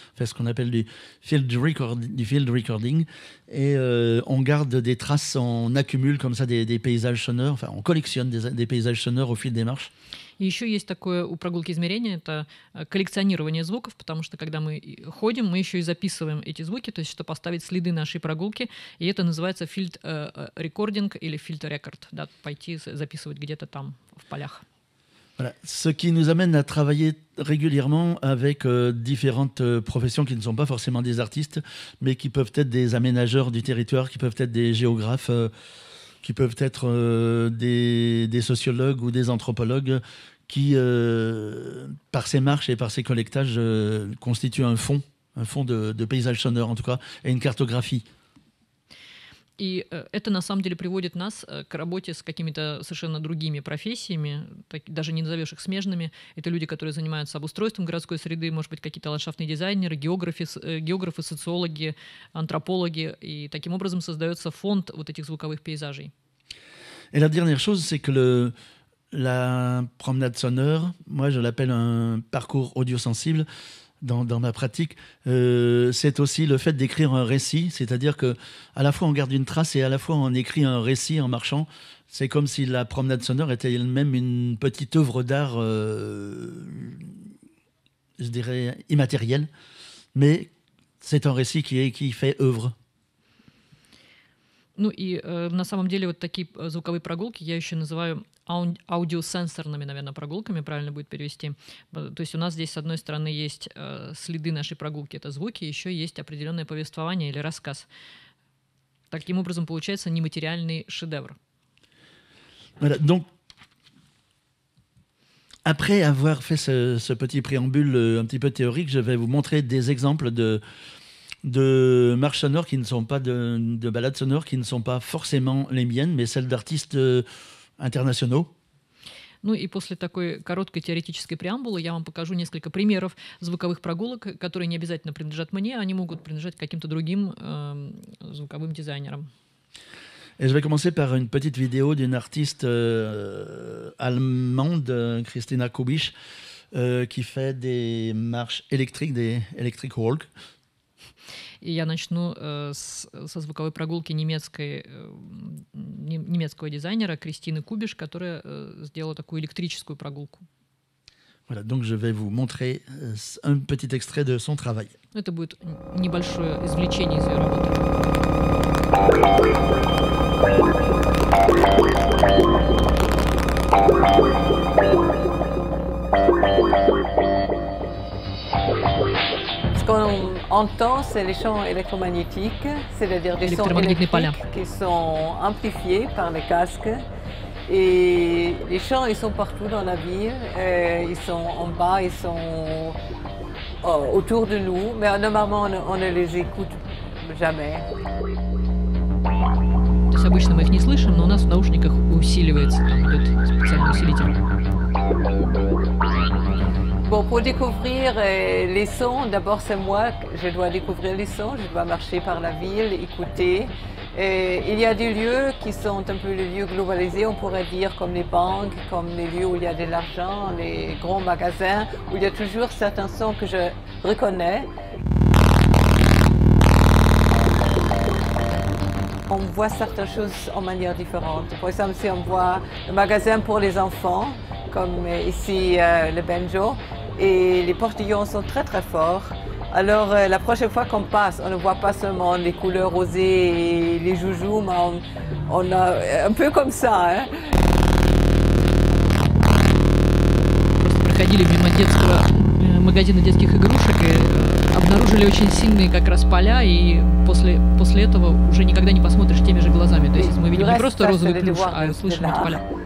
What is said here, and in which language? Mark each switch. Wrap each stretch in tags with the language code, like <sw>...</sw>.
<fr>Enfin, ce qu'on appelle du field recording. Et on garde des traces, on accumule comme ça des paysages sonores. Enfin, on collectionne des paysages sonores au fil des marches.</fr> <ru>И еще есть такое у прогулки измерения, это коллекционирование звуков, потому что когда мы ходим, мы еще и записываем эти звуки, то есть чтобы оставить следы нашей прогулки, и это называется field recording или field record, да, пойти записывать где-то там в полях.</ru> <fr>Voilà. Ce qui nous amène à travailler régulièrement avec différentes professions qui ne sont pas forcément des artistes, mais qui peuvent être des aménageurs du territoire, qui peuvent être des géographes, qui peuvent être des sociologues ou des anthropologues, qui, par ces marches et par ces collectages, constituent un fond de paysage sonore, en tout cas, et une cartographie.</fr> <ru>И это на самом деле приводит нас к работе с какими-то совершенно другими профессиями, даже не назовешь их смежными. Это люди, которые занимаются обустройством городской среды, может быть, какие-то ландшафтные дизайнеры, географы, социологи, антропологи. И таким образом создается фонд вот этих звуковых пейзажей.</ru> <fr>Et la dernière chose, c'est que la promenade sonore, moi je l'appelle un parcours audiosensible dans ma pratique, c'est aussi le fait d'écrire un récit, c'est-à-dire qu'à la fois on garde une trace et à la fois on écrit un récit en marchant. C'est comme si la promenade sonore était elle-même une petite œuvre d'art, je dirais immatérielle, mais c'est un récit qui fait œuvre.</fr> <ru>Ну и на самом деле вот такие звуковые прогулки я еще называю аудиосенсорными, наверное, прогулками, правильно будет перевести. То есть у нас здесь, с одной стороны, есть следы нашей прогулки, это звуки, еще есть определенное повествование или рассказ. Таким образом получается нематериальный шедевр.</ru> <fr>Voilà, donc, après avoir fait ce petit préambule un petit peu théorique, je vais vous montrer des exemples de marches sonores qui ne sont pas de balades sonores qui ne sont pas forcément les miennes, mais celles d'artistes internationaux.</fr> <ru>Ну и после такой короткой теоретической преамбулы я вам покажу несколько примеров звуковых прогулок, которые не обязательно принадлежат мне, они могут принадлежать каким-то другим звуковым дизайнерам.</ru> <fr>Et je vais commencer par une petite vidéo d'une artiste allemande, Christina Kubisch, qui fait des marches électriques, des electric walk.</fr> <ru>И я начну со звуковой прогулки немецкого дизайнера Кристины Кубиш, которая сделала такую электрическую прогулку.</ru> <fr>Voilà, donc je vais vous montrer un petit extrait de son travail.</fr> <ru>Это будет небольшое извлечение из ее работы.</ru> <fr>Quand on entend, c'est les champs électromagnétiques, c'est-à-dire des sons électriques qui sont amplifiés par les casques. Et les champs, ils sont partout dans la ville. Ils sont en bas, ils sont autour de nous. Mais normalement, on ne les écoute jamais.</fr> <ru>То есть обычно мы их не слышим, но у нас в наушниках усиливается, там идет специальный усилитель.</ru> <fr>Bon, pour découvrir les sons, d'abord c'est moi, je dois découvrir les sons, je dois marcher par la ville, écouter. Et il y a des lieux qui sont un peu les lieux globalisés, on pourrait dire comme les banques, comme les lieux où il y a de l'argent, les grands magasins, où il y a toujours certains sons que je reconnais. On voit certaines choses en manière différente. Par exemple, si on voit le magasin pour les enfants, comme ici le banjo, et les portillons sont très très forts. Alors la prochaine fois qu'on passe, on ne voit pas seulement les couleurs rosées et les joujoux, mais on a un peu comme ça.</fr> <ru>Hein. Просто проходили мимо магазина детских игрушек и обнаружили очень сильные как раз поля, и после этого уже никогда не посмотришь теми же глазами. То есть мы видим не просто розовый плюш, а слышим эти поля.</ru>